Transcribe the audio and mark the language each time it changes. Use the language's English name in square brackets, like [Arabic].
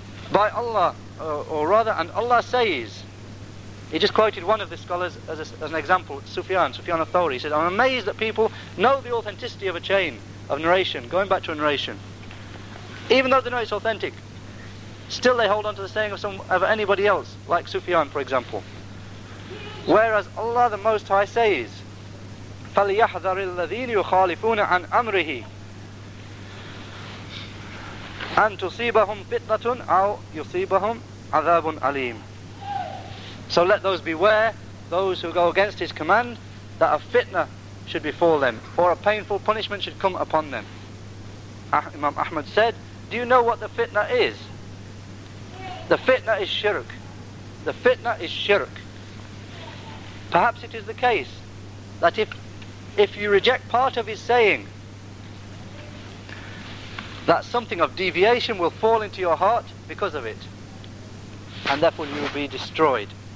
[English] By Allah, and Allah says, he just quoted one of the scholars as an example, Sufyan al-Thawri. He said, I'm amazed that people know the authenticity of a chain of narration, going back to a narration, even though they know it's authentic, still they hold on to the saying of anybody else, like Sufyan, for example. Whereas Allah the Most High says, [Arabic] فَلْيَحْذَرِ الَّذِينِ يُخَالِفُونَ عَنْ أَمْرِهِ أَنْ تُصِيبَهُمْ فِتْنَةٌ أَوْ يُصِيبَهُمْ عَذَابٌ عَلِيمٌ. [English] So let those beware, those who go against his command, that a fitna should befall them, or a painful punishment should come upon them. Imam Ahmad said, do you know what the fitna is? The fitna is shirk. The fitna is shirk. Perhaps it is the case that if you reject part of his saying, that something of deviation will fall into your heart because of it, and therefore you will be destroyed.